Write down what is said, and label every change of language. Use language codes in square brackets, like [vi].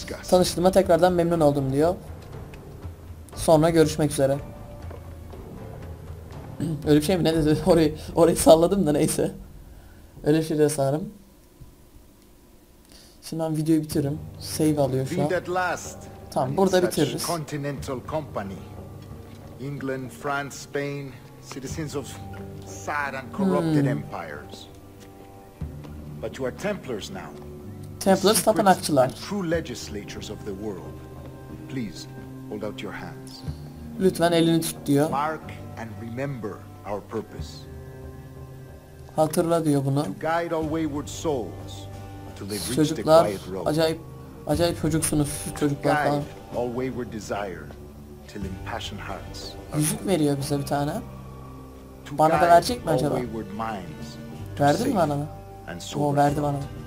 [tr] Tanıştığıma tekrardan memnun oldum diyor. Sonra görüşmek üzere. Öyle bir şey mi, ne dedi? Orayı salladım da neyse. Öyle bir şey de sanırım. Şimdi ben videoyu bitiririm. Save alıyor şu an. Tamam, burada bitiririz. [en] Continental Company. England, France, Spain, citizens of sad and corrupted empires. But you are Templars now. [tr] Templars tapınakçılar. [en] True legislators of the world. Please hold out your hands. [tr] Lütfen elini tut diyor. [en] Mark and remember our purpose. [tr] Hatırla diyor bunu. [en] To guide all wayward souls. [tr] Çocuklar acayip acayip çocuksunuz çocuklar falan. [en] All wayward desire till impassioned hearts. [tr] Yüzük veriyor bize bir tane. Bana da verecek mi acaba? Verdi mi bana? O verdi bana.